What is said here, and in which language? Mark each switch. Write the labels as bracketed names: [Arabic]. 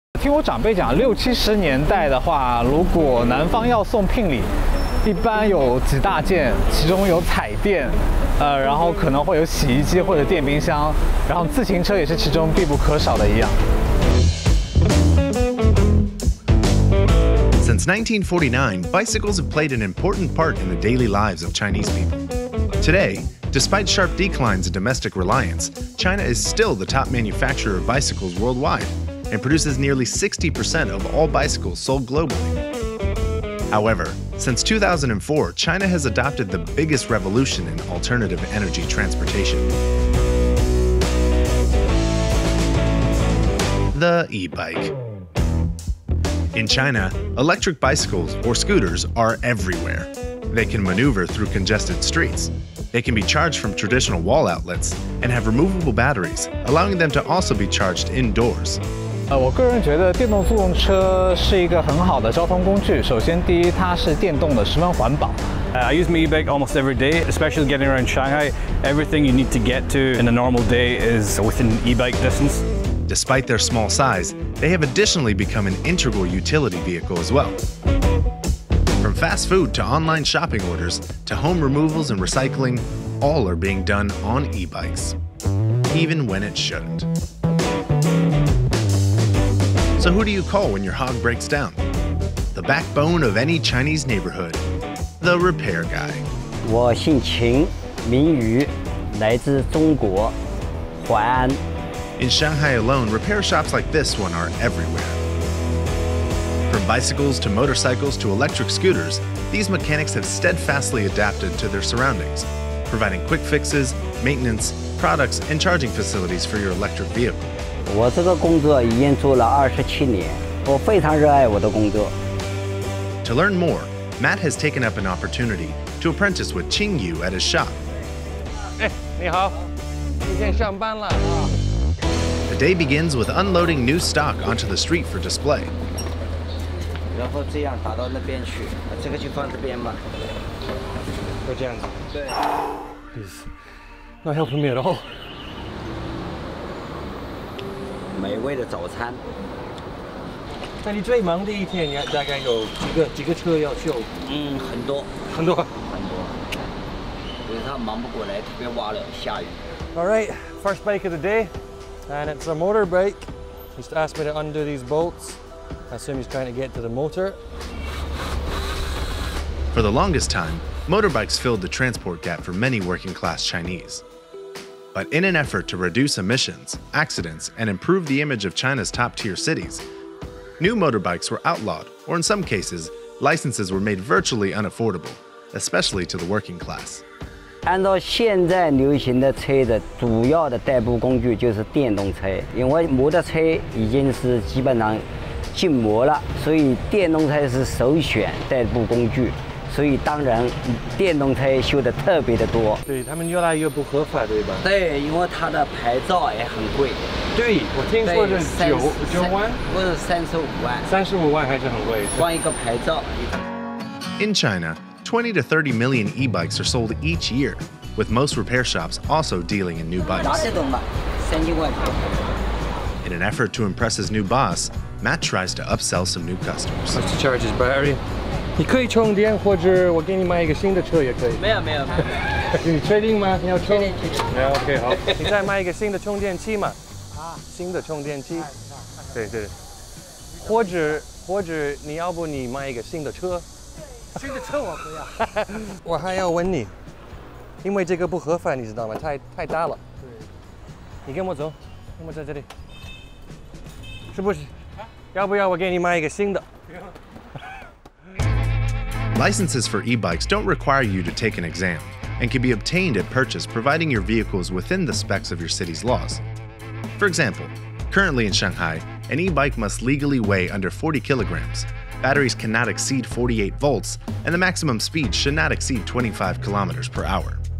[Chinese] 听我长辈讲，六七十年代的话，如果男方要送聘礼，一般有几大件，其中有彩电，然后可能会有洗衣机或者电冰箱，然后自行车也是其中必不可少的一样。 [English] Since 1949, bicycles have played an important part in the daily lives of Chinese people. Today, despite sharp declines in domestic reliance, China is still the top manufacturer of bicycles worldwide and produces nearly 60% of all bicycles sold globally. However, since 2004, China has adopted the biggest revolution in alternative energy transportation. The e-bike. In China, electric bicycles or scooters are everywhere. They can maneuver through congested streets. They can be charged from traditional wall outlets and have removable batteries, allowing them to also be charged indoors. [Chinese] 我个人觉得电动自动车是一个很好的交通工具。首先，第一，它是电动的，十分环保。 [English] I use my e-bike almost every day, especially getting around Shanghai. Everything you need to get to in a normal day is within e-bike distance. Despite their small size, they have additionally become an integral utility vehicle as well. From fast food to online shopping orders to home removals and recycling, all are being done on e-bikes, even when it shouldn't. So who do you call when your hog breaks down? The backbone of any Chinese neighborhood, the repair guy. [Chinese] 我姓秦，名宇，来自中国，淮安。 [English] In Shanghai alone, repair shops like this one are everywhere. From bicycles to motorcycles to electric scooters, these mechanics have steadfastly adapted to their surroundings, providing quick fixes, maintenance, products, and charging facilities for your electric vehicle. [Chinese] 我这个工作已经做了27年，我非常热爱我的工作。 [English] To learn more, Matt has taken up an opportunity to apprentice with Qing Yu at his shop. [Chinese] 你好，今天上班了啊。 [English] The day begins with unloading new stock onto the street for display. [Chinese] 然后这样打到那边去，这个就放这边嘛。就这样子。对。 [English] He's not helping me at all. [Chinese] 美味的早餐。那你最忙的一天，你大概有几个车要修？很多。很多。很多。因为他忙不过来，特别挖了，下雨。 [English] All right, first bike of the day. And it's a motorbike. He's asked me to undo these bolts. I assume he's trying to get to the motor. For the longest time, motorbikes filled the transport gap for many working class Chinese. But in an effort to reduce emissions, accidents, and improve the image of China's top tier cities, new motorbikes were outlawed, or in some cases, licenses were made virtually unaffordable, especially to the working class. [Chinese] 按照现在流行的车的主要的代步工具就是电动车，因为摩托车已经是基本上禁摩了，所以电动车是首选代步工具，所以当然电动车修得特别的多。对，他们越来越不合法，对吧？对，因为它的牌照也很贵。对，我听说是九万，不是35万。 35万还是很贵，换一个牌照。 [English] In China. 20 to 30 million e-bikes are sold each year, with most repair shops also dealing in new bikes. In an effort to impress his new boss, Matt tries to upsell some new customers. Let's charge his battery. You can charge the battery, or I'll give you a new car. No, no, no. Are you sure? Do you want to charge? Yeah, okay, good. You want to buy a new battery? Yeah, new battery. Yeah, yeah. Or you want to buy a new car? [Chinese] 新的车我不要。我还要问你，因为这个不合法，你知道吗？太大了。对。你跟我走，跟我在这里。是不是？要不要我给你买一个新的？不用。 [English] Licenses for e-bikes don't require you to take an exam, and can be obtained at purchase, providing your vehicle is within the specs of your city's laws. For example, currently in Shanghai, an e-bike must legally weigh under 40 kilograms. Batteries cannot exceed 48 volts, and the maximum speed should not exceed 25 kilometers per hour.